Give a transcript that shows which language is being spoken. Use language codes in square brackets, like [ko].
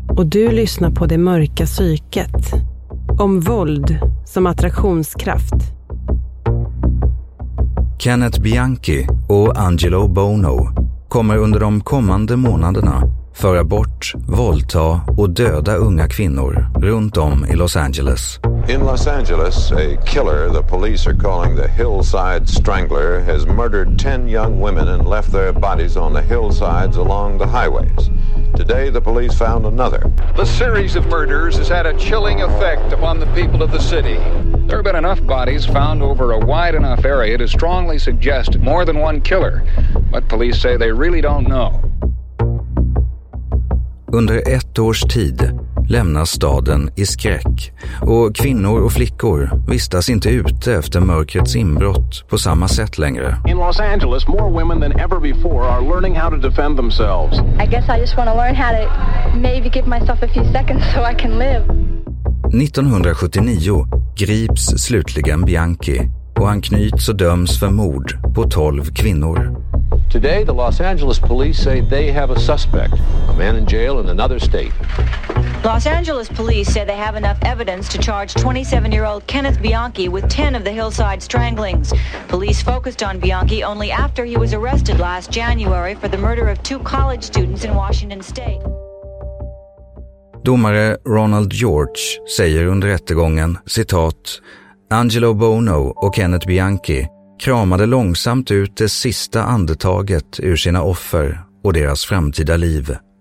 [sv] Och du lyssnar på Det mörka psyket. Om våld som attraktionskraft. Kenneth Bianchi och Angelo Bono kommer under de kommande månaderna föra bort, våldta och döda unga kvinnor runt om i Los Angeles. [en] In Los Angeles, a killer the police are calling the Hillside Strangler has murdered 10 young women and left their bodies on the hillsides along the highways. Today the police found another. The series of murders has had a chilling effect upon the people of the city. There have been enough bodies found over a wide enough area to strongly suggest more than one killer, but police say they really don't know. [sv] Under ett års tid lämnas staden i skräck och kvinnor och flickor vistas inte ute efter mörkrets inbrott på samma sätt längre. [en] In Los Angeles, more women than ever before are learning how to defend themselves. I guess I just want to learn how to maybe give myself a few seconds so I can live. [sv] 1979 grips slutligen Bianchi och han knyts och döms för mord på 12 kvinnor. [en] Today the Los Angeles police say they have a suspect, a man in jail in another state. Los Angeles police say they have enough evidence to charge 27-year-old Kenneth Bianchi with 10 of the Hillside stranglings. Police focused on Bianchi only after he was arrested last January for the murder of 2 college students in Washington State. [sv] Domare Ronald George säger under rättegången, citat, Angelo Bono och Kenneth Bianchi kramade långsamt ut det sista andetaget ur sina offer och deras framtida liv.